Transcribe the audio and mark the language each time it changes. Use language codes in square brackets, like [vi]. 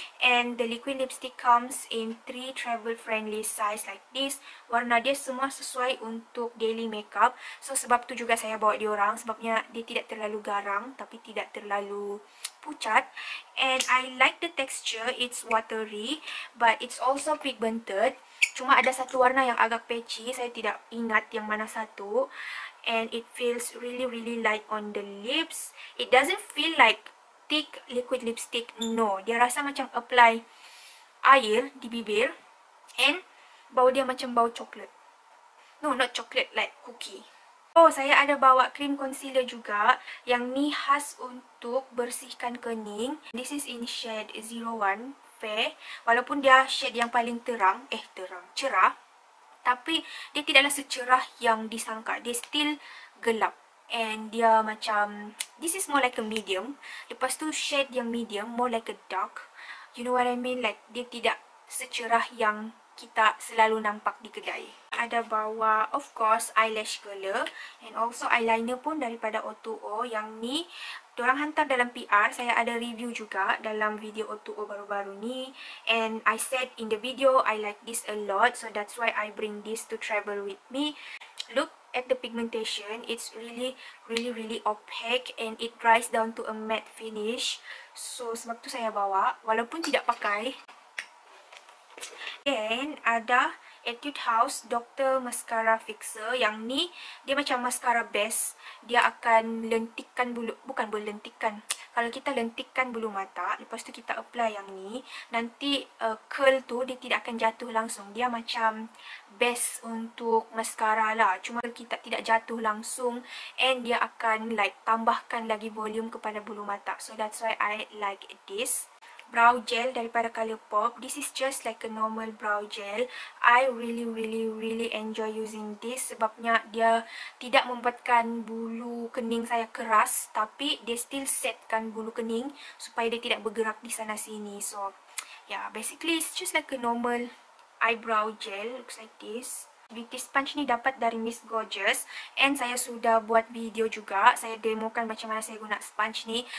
[en] And the liquid lipstick comes in 3 travel friendly size like this. [ms] Warna dia semua sesuai untuk daily makeup. So sebab tu juga saya bawa diorang, sebabnya dia tidak terlalu garang tapi tidak terlalu pucat. [en] And I like the texture, it's watery but it's also pigmented. [ms] Cuma ada satu warna yang agak patchy, saya tidak ingat yang mana satu. [en] And it feels really really light on the lips. It doesn't feel like thick liquid lipstick, no. [ms] Dia rasa macam apply air di bibir. And bau dia macam bau coklat. [en] No, not coklat, like cookie. [ms] Oh, saya ada bawa cream concealer juga. Yang ni khas untuk bersihkan kening. [en] This is in shade 01 Fair. [ms] Walaupun dia shade yang paling terang. Cerah. Tapi dia tidaklah secerah yang disangka. Dia still gelap. [en] And [ms] dia macam, [en] this is more like a medium. [ms] Lepas tu shade yang medium, [en] more like a dark. You know what I mean? [ms] Like, dia tidak secerah yang kita selalu nampak di kedai. Ada bawa, [en] of course, [ms] eyelash curler and also eyeliner pun daripada O2O. Yang ni diorang hantar dalam PR, saya ada review juga dalam video O2O baru-baru ni. [en] And I said in the video I like this a lot, so that's why I bring this to travel with me. Look at the pigmentation, it's really really really opaque and it dries down to a matte finish. [ms] So sebab tu saya bawa walaupun tidak pakai. Then ada Etude House Dr. Mascara Fixer. Yang ni dia macam mascara base. Dia akan lentikkan bulu, bukan berlentikkan. Kalau kita lentikkan bulu mata, lepas tu kita apply yang ni, nanti curl tu dia tidak akan jatuh langsung. Dia macam base untuk mascara lah. Cuma kita tidak jatuh langsung and dia akan like tambahkan lagi volume kepada bulu mata. [en] So that's why I like this. Brow gel daripada Colourpop. This is just like a normal brow gel. I really really really enjoy using this [ms] sebabnya dia tidak membuatkan bulu kening saya keras, tapi dia still setkan bulu kening supaya dia tidak bergerak di sana sini. [en] So yeah, basically it's just like a normal eyebrow gel, looks like this. [ms] Beauty sponge ni dapat dari Miss Gorgeous and saya sudah buat video juga, saya demokan macam mana saya guna sponge ni.